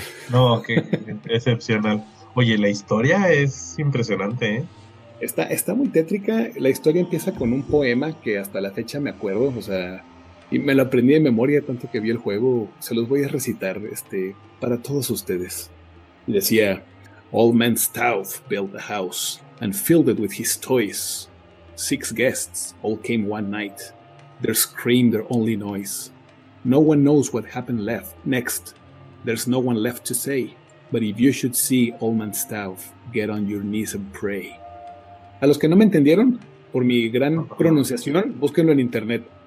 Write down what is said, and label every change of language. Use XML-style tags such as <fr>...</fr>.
<es>No, qué excepcional. Oye, la historia es impresionante, ¿eh? Está muy tétrica. La historia empieza con un poema que hasta la fecha me acuerdo, o sea, y me lo aprendí de memoria tanto que vi el juego. Se los voy a recitar, para todos ustedes. Y decía:</es> <en>"Old Man Stouth built a house and filled it with his toys. Six guests all came one night. Their scream, their only noise. No one knows what happened left next. There's no one left to say. But if you should see Old Man Stouth, get on your knees and pray."</en> <es>A los que no me entendieron, por mi gran pronunciación, búsquenlo en internet.</es>